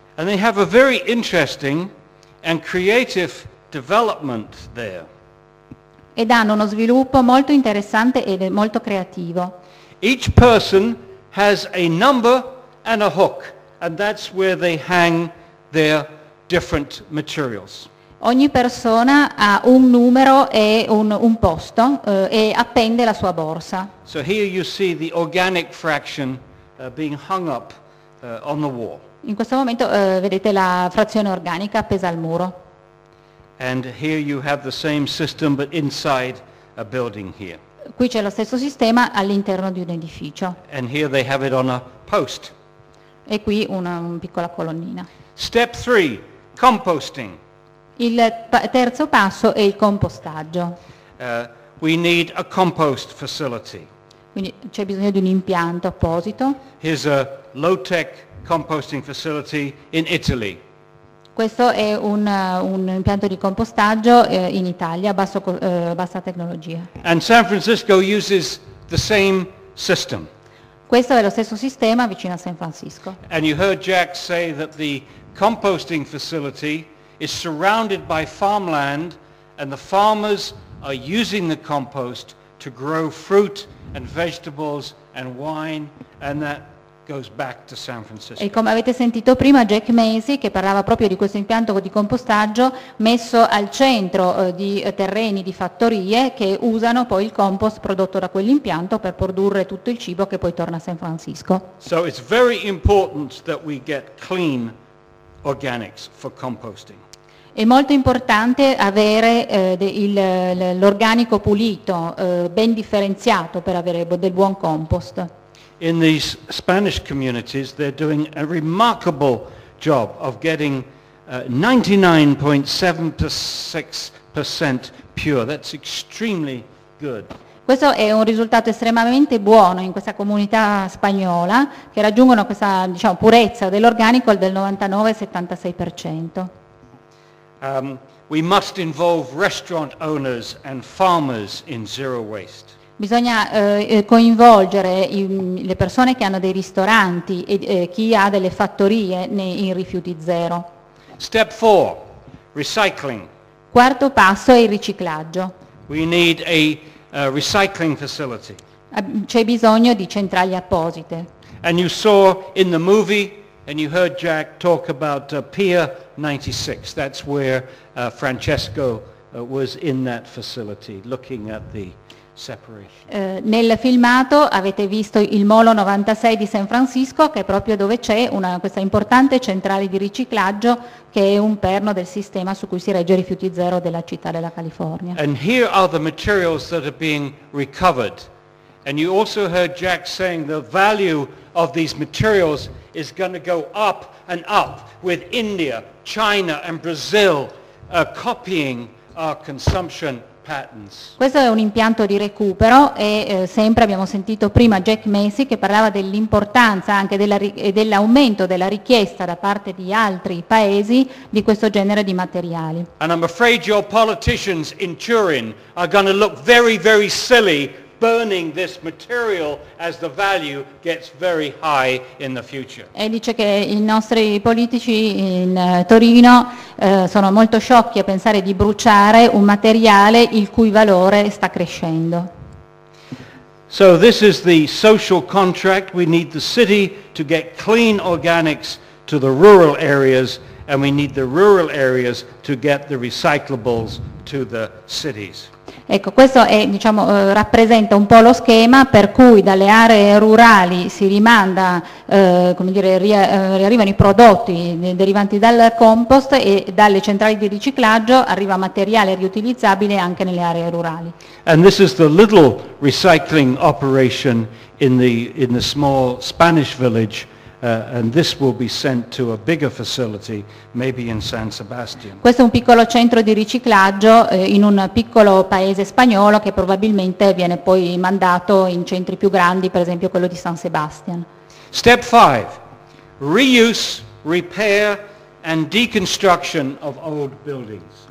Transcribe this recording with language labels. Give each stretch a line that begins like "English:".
English: And they have a very interesting and creative development there.
Italian: Ed hanno uno sviluppo molto interessante e molto creativo.
English: Each person has a number and a hook. And that's where they hang their different materials.
Italian: Ogni persona ha un numero e un posto e appende la sua borsa.
English: So here you see the organic fraction being hung up on the wall.
Italian: In questo momento vedete la frazione organica appesa al muro.
English: And here you have the same system but inside a building here.
Italian: Qui c'è lo stesso sistema all'interno di un edificio.
English: And here they have it on a post.
Italian: E qui una piccola colonnina.
English: Step 3, composting.
Italian: Il terzo passo è il compostaggio.
English: We need a compost facility.
Italian: Quindi c'è bisogno di un impianto apposito.
English: Here's a low-tech composting facility in Italy.
Italian: Questo è un impianto di compostaggio in Italia, bassa tecnologia.
English: And San Francisco uses the same system.
Italian: Questo è lo stesso sistema vicino a San Francisco.
English: And you heard Jack say that the composting facility is surrounded by farmland and the farmers are using the compost to grow fruit and vegetables and wine and that goes back to San Francisco.
Italian: E come avete sentito prima, Jack Macy, che parlava proprio di questo impianto di compostaggio messo al centro di terreni, di fattorie, che usano poi il compost prodotto da quell'impianto per produrre tutto il cibo che poi torna a San Francisco.
English: So it's very important that we get clean organics for composting.
Italian: È molto importante avere l'organico pulito, ben differenziato per avere del buon compost.
English: In these Spanish communities they're doing a remarkable job of getting 99.76% pure. That's extremely good.
Italian: Questo è un risultato estremamente buono in questa comunità spagnola che raggiungono questa, diciamo, purezza dell'organico del 99.76%.
English: We must involve restaurant owners and farmers in zero waste.
Italian: Bisogna coinvolgere le persone che hanno dei ristoranti e chi ha delle fattorie in rifiuti zero.
English: Step 4, recycling.
Italian: Quarto passo è il riciclaggio.
English: We need a recycling facility.
Italian: C'è bisogno di centrali apposite.
English: And you saw in the movie and you heard Jack talk about Pier 96. That's where Francesco was in that facility looking at the separation.
Italian: Nel filmato avete visto il Molo 96 di San Francisco, che è proprio dove c'è questa importante centrale di riciclaggio che è un perno del sistema su cui si regge i rifiuti zero della città della California.
English: And here are the materials that are being recovered. And you also heard Jack saying the value of these materials is going to go up and up with India, China and Brazil copying our consumption.
Italian: Questo è un impianto di recupero e sempre abbiamo sentito prima Jack Macy che parlava dell'importanza anche dell'aumento della richiesta da parte di altri paesi di questo genere di materiali.
English: And I'm afraid your politicians in Turin are going to look very, very silly burning this material as the value gets very high in the future.
Italian: E dice che i nostri politici in Torino sono molto sciocchi a pensare di bruciare un materiale il cui valore sta crescendo.
English: So this is the social contract. We need the city to get clean organics to the rural areas and we need the rural areas to get the recyclables to the cities.
Italian: Ecco, questo è, diciamo, rappresenta un po' lo schema per cui dalle aree rurali si rimanda, arrivano i prodotti derivanti dal compost e dalle centrali di riciclaggio arriva materiale riutilizzabile anche nelle aree rurali.
English: And this is the little recycling operation in the small Spanish village. And this will be sent to a bigger facility, maybe in San Sebastian.
Italian: Questo è un piccolo centro di riciclaggio in un piccolo paese spagnolo che probabilmente viene poi mandato in centri più grandi, per esempio quello di San Sebastian.
English: Step 5. Reuse, repair and deconstruction of old buildings.